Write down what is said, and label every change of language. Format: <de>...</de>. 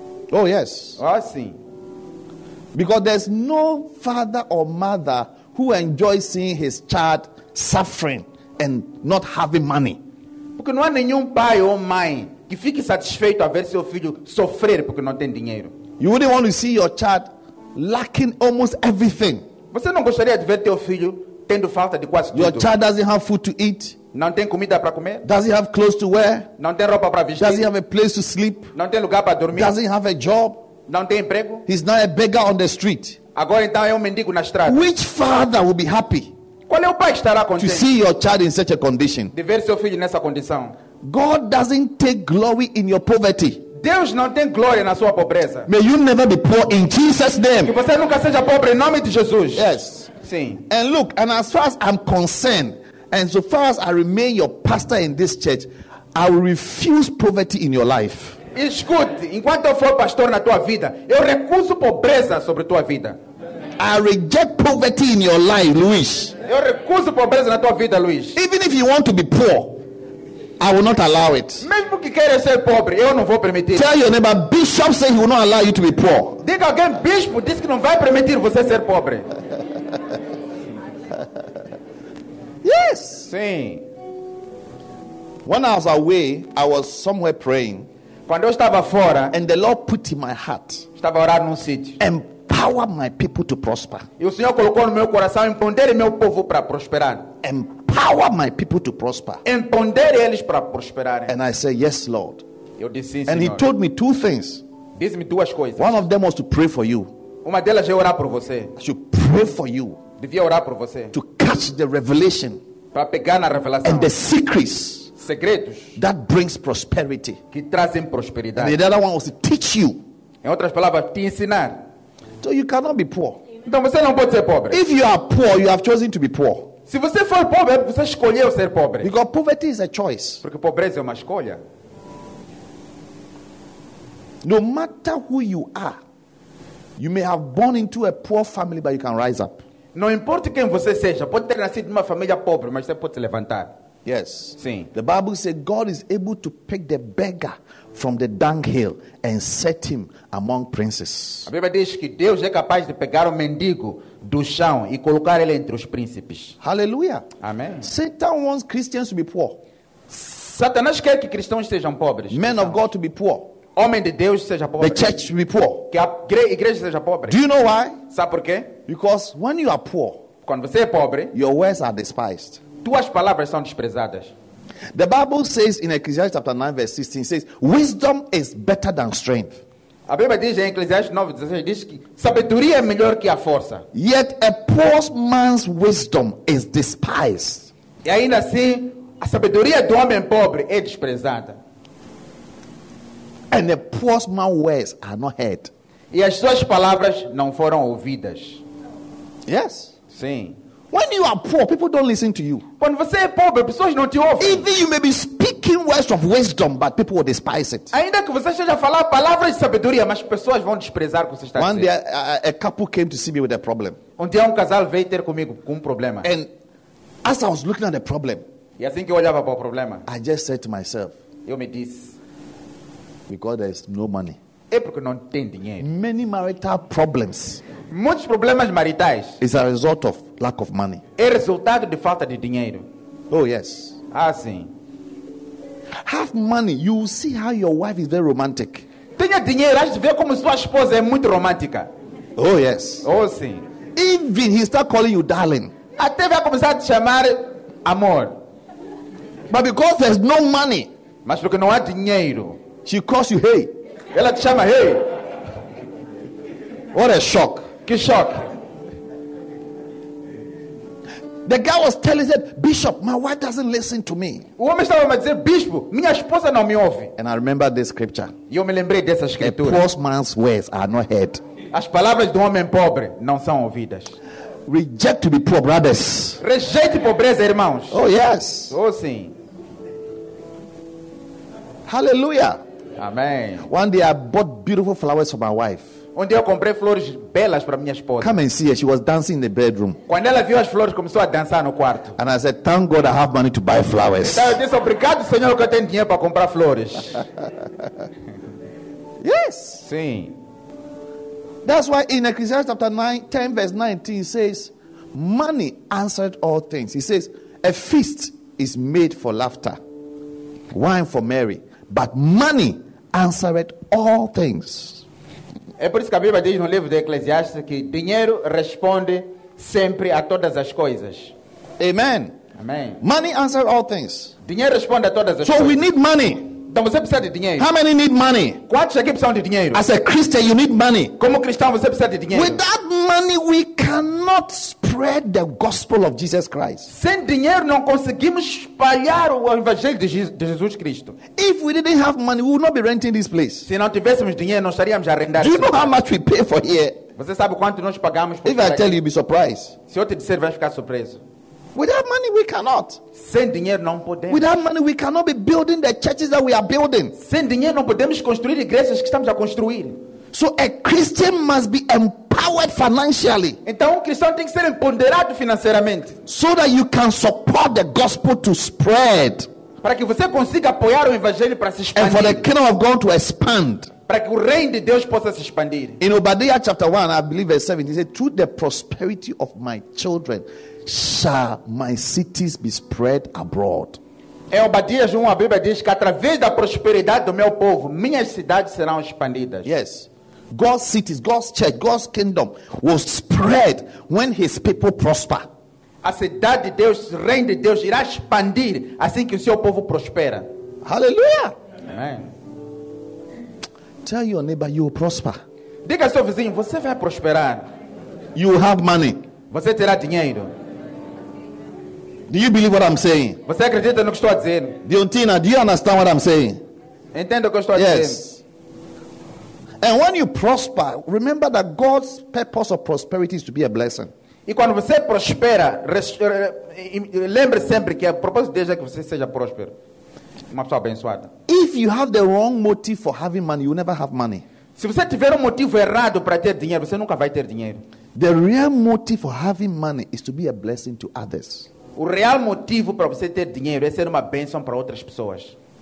<en>Oh yes.</en> <pt>Ah sim.</pt> <en>Because there's no father or mother who enjoys seeing his child suffering and not having money.</en> <pt>Porque não há nenhum pai ou mãe que fique satisfeito a ver seu filho sofrer porque não tem dinheiro.</pt> <en>You wouldn't want to see your child lacking almost everything.</en> <pt>Você não gostaria de ver teu filho tendo falta de quase tudo?</pt> <en>Your child doesn't have food to eat.</en> <pt>Não tem comida para comer?</pt> <en>Does he have clothes to wear?</en> <pt>Não tem roupa para vestir?</pt> <en>Does he have a place to sleep?</en> <pt>Não tem lugar para dormir?</pt> <en>Does he have a job?</en> <pt>Não tem emprego?</pt> <en>He's now a beggar on the street.</en> <pt>Agora então é mendigo na estrada.</pt> <en>Which father will be happy?</en> <pt>Qual é o pai que estará contente?</pt> <en>To see your child in such a condition.</en> <pt>De ver seu filho nessa condição.</pt> <en>God doesn't take glory in your poverty.</en> <pt>Deus não tem glória na sua pobreza.</pt> <en>May you never be poor in Jesus' name.</en> <pt>Que você nunca seja pobre em nome de Jesus.</pt> <en>Yes.</en> <pt>Sim.</pt> <en>And look, and as far as I'm concerned, and so far as I remain your pastor in this church, I will refuse poverty in your life.</en> <pt>Escute, enquanto eu for pastor na tua vida, eu recuso pobreza sobre tua vida.</pt> <en>I reject poverty in your life, Luis.</en> <pt>Eu recuso pobreza na tua vida, Luis.</pt> <en>Even if you want to be poor, I will not allow it.</en> <pt>Mesmo que queira ser pobre, eu não vou permitir.</pt> <en>Tell your neighbor, bishop says he will not allow you to be poor.</en> <pt>Diga alguém, bispo diz que não vai permitir você ser pobre.</pt> <en>Yes.</en> <pt>Sim.</pt> <en>When I was away, I was somewhere praying.</en> <pt>Quando eu estava fora,</pt> <en>and the Lord put in my heart.</en> <pt>Estava orando num sítio.</pt> <en>Empower my people to prosper.</en> <pt>E o Senhor colocou no meu coração empoderar meu povo para prosperar.</pt> <en>Empower my people to prosper.</en> <pt>Empoderar eles para prosperar.</pt> <en>And I said, "Yes, Lord."</en> <pt>Eu disse sim,</pt> <en>and</en> <pt>Senhor.</pt> <en>He told me two things.</en> <pt>Diz-me duas coisas.</pt> <en>One of them was to pray for you.</en> <pt>Uma delas é orar por você.</pt> <en>I should pray for you.</en> <pt>Devia orar por você.</pt> <en>To catch the revelation.</en> <pt>Para pegar na revelação.</pt> <en>And the secrets.</en> <pt>Segredos.</pt> <en>That brings prosperity.</en> <pt>Que trazem prosperidade.</pt> <en>And the other one was to teach you.</en> <pt>Em outras palavras, te ensinar.</pt> <en>So you cannot be poor.</en> <pt>Então você não pode ser pobre.</pt> <en>If you are poor, you have chosen to be poor.</en> <pt>Se você for pobre, você escolheu ser pobre.</pt> <en>Because poverty is a choice.</en> <pt>Porque pobreza é uma escolha.</pt> <en>No matter who you are, you may have born into a poor family, but you can rise up.</en> <pt>Não importa quem você seja, pode ter nascido numa família pobre, mas você pode se levantar.</pt> <en>Yes.</en> <pt>Sim.</pt> <en>The Bible says God is able to pick the beggar from the dunghill and set him among princes.</en> <pt>A Bíblia diz que Deus é capaz de pegar o mendigo do chão e colocar ele entre os príncipes.</pt> <en>Hallelujah.</en> <pt>Amém.</pt> <en>Satan wants Christians to be poor.</en> <pt>Satanás quer que cristãos sejam pobres.</pt> <en>Men of God to be poor.</en> <pt>Homem de Deus seja pobre.</pt> <en>The church be poor.</en> <pt>Que a igreja seja pobre.</pt> <en>Do you know why?</en> <pt>Sabe por quê?</pt> <en>Because when you are poor,</en> <pt>quando você é pobre,</pt> <en>your words are despised.</en> <pt>Tuas palavras são desprezadas.</pt> <en>The Bible says in Ecclesiastes chapter 9 verse 16 says, wisdom is better than strength.</en> <pt>A Bíblia diz em Ecclesiastes 9</pt> <en>verse</en> <pt>16 diz que sabedoria é melhor que a força.</pt> <en>Yet a poor man's wisdom is despised.</en> <pt>E ainda assim, a sabedoria do homem pobre é desprezada.</pt> <en>And the poor man's words are not heard.</en> <pt>E as suas palavras não foram ouvidas.</pt> <en>Yes.</en> <pt>Sim.</pt> <en>When you are poor, people don't listen to you.</en> <pt>Quando você é pobre, pessoas não te ouvem.</pt> <en>Even you may be speaking words words of wisdom, but people will despise it.</en> <pt>Ainda que você esteja a falar palavras de sabedoria, mas pessoas vão desprezar o que você está a dizer.</pt> <en>One day, a couple came to see me with a problem.</en> <pt>Um dia casal veio ter comigo com problema.</pt> <en>And as I was looking at the problem,</en> <pt>e assim que eu olhava para o problema,</pt> <en>I just said to myself,</en> <pt>eu me disse,</pt> <en>because there is no money.</en> <pt>É porque não tem dinheiro.</pt> <en>Many marital problems.</en> <pt>Muitos problemas maritais.</pt> <en>Is a result of lack of money.</en> <pt>É resultado de falta de dinheiro.</pt> <en>Oh yes.</en> <pt>Ah sim.</pt> <en>Have money, you will see how your wife is very romantic.</en> <pt>Tenha dinheiro, acho ver como sua esposa é muito romântica.</pt> <en>Oh yes.</en> <pt>Oh sim.</pt> <en>Even he start calling you darling.</en> <pt>Até vai começar a te chamar amor.</pt> <en>But because there's no money.</en> <pt>Mas porque não há dinheiro.</pt> <en>She calls you hey.</en> <pt>Ela te chama hey.</pt> <en>What a shock.</en> <pt>Que shock.</pt> <en>The guy was telling him, Bishop, my wife doesn't listen to me.</en> <pt>O homem estava a dizer, Bispo, minha esposa não me ouve.</pt> <en>And I remember this scripture.</en> <pt>E eu me lembrei dessa escritura.</pt> <en>A poor man's words are not heard.</en> <pt>As palavras do homem pobre não são ouvidas.</pt> <en>Reject to be poor brothers.</en> <pt>Rejeite pobreza, irmãos.</pt> <en>Oh yes.</en> <pt>Oh sim.</pt> <en>Hallelujah.</en> <pt>Amém.</pt> <en>One day I bought beautiful flowers for my wife.</en> <pt>Onde eu comprei flores belas para minha esposa.</pt> <en>Come and see her. She was dancing in the bedroom.</en> <pt>Quando ela viu as flores, começou a dançar no quarto.</pt> <en>And I said, thank God I have money to buy flowers.</en> <pt>Então eu disse, obrigado, Senhor, que eu tenho dinheiro para comprar flores.</pt> <en>Yes.</en> <pt>Sim.</pt> <en>That's why in Ecclesiastes chapter 10 verse 19, he says, money answered all things. He says, a feast is made for laughter, wine for merry, but money answered all things.</en> <pt>É por isso que a Bíblia diz no livro de Eclesiastes que dinheiro responde sempre a todas as coisas.</pt> <en>Amen. Amen. Money answers all things.</en> <pt>Dinheiro responde a todas as</pt> <en>so</en> <pt>coisas.</pt> <en>So we need money.</en> <pt>Então você precisa de dinheiro.</pt> <en>How many need money?</en> <pt>Quantos aqui precisam de dinheiro?</pt> <en>As a Christian, you need money.</en> <pt>Como cristão, você precisa de dinheiro.</pt> <en>Without money, we cannot spread the gospel of Jesus Christ.</en> <pt>Sem dinheiro, não conseguimos espalhar o evangelho de Jesus Cristo.</pt> <en>If we didn't have money, we would not be renting this place.</en> <pt>Se não tivéssemos dinheiro, não estaríamos a arrendar.</pt> <en>Do you know how much we pay for here?</en> <pt>Você sabe quanto nós pagamos por aqui?</pt> <en>If I tell you, you'll be surprised.</en> <pt>Se eu te disser, vai ficar surpreso.</pt> <en>Without money, we cannot.</en> <pt>Sem dinheiro não podemos.</pt> <en>Without money, we cannot be building the churches that we are building.</en> <pt>Sem dinheiro não podemos construir igrejas que estamos a construir.</pt> <en>So a Christian must be empowered financially.</en> <pt>Então cristão tem que ser empoderado financeiramente.</pt> <en>So that you can support the gospel to spread.</en> <pt>Para que você consiga apoiar o evangelho para se expandir.</pt> <en>And for the kingdom of God to expand.</en> <pt>Para que o reino de Deus possa se expandir.</pt> <en>In Obadiah chapter 1, I believe verse 7, he said, through the prosperity of my children shall my cities be spread abroad.</en> <pt>Em Obadias 1, a Bíblia diz que através da prosperidade do meu povo, minhas cidades serão expandidas.</pt> <en>Yes. God's cities, God's church, God's kingdom will spread when his people prosper.</en> <pt>A cidade de Deus, o reino de Deus irá expandir assim que o seu povo prospera.</pt> <en>Hallelujah.</en> <pt>Amen.</pt> <en>Tell your neighbor you will prosper.</en> <pt>Diga ao seu vizinho, você vai prosperar.</pt> <en>You will have money.</en> <pt>Você terá dinheiro.</pt> <en>Do you believe what I'm saying?</en> <pt>Você acredita no que estou a dizer?</pt> <en>Diontina, do you understand what I'm saying?</en> <pt>Entendo o que estou a dizer.</pt> <en>Yes. And when you prosper, remember that God's purpose of prosperity is to be a blessing.</en> <pt>E quando você prospera, lembre sempre que o propósito de Deus é que você seja próspero. Uma pessoa abençoada.</pt> <en>If you have the wrong motive for having money, you never have money.</en> <pt>Se você tiver motivo errado para ter dinheiro, você nunca vai ter dinheiro.</pt> <en>The real motive for having money is to be a blessing to others.</en> <pt>O real motivo para você ter dinheiro é ser uma bênção para outras pessoas.</pt>